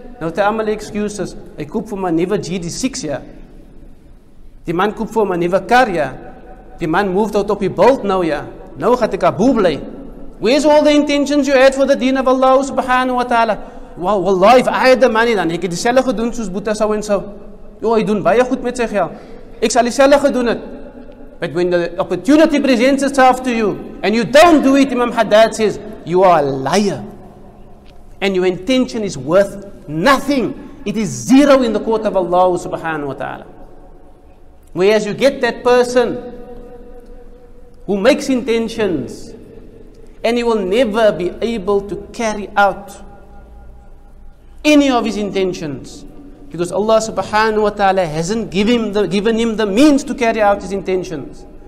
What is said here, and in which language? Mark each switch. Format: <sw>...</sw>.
<af>Nou het hy allemaal excuses. Hy koop vir my nuwe GD6, ja. Die man koop vir my nuwe kar, ja. Die man</af> <en>moved out</en> <af>op die bult nou, ja. Nou gaat ek aboe bly.</af> <en>Where's all the intentions you had for the deen of Allah subhanahu wa ta'ala? Well, wallah, if I had the money, then</en> <af>ek het die selle gedoen soos Buddha so en so. Jo, hy doen baie goed met sy geld. Ek sal die selle gedoen het.</af> <en>But when the opportunity presents itself to you, and you don't do it, Imam Haddad says, you are a liar. And your intention is worth nothing. It is zero in the court of Allah subhanahu wa ta'ala. Whereas you get that person who makes intentions and he will never be able to carry out any of his intentions, because Allah subhanahu wa ta'ala hasn't given him the means to carry out his intentions.</en>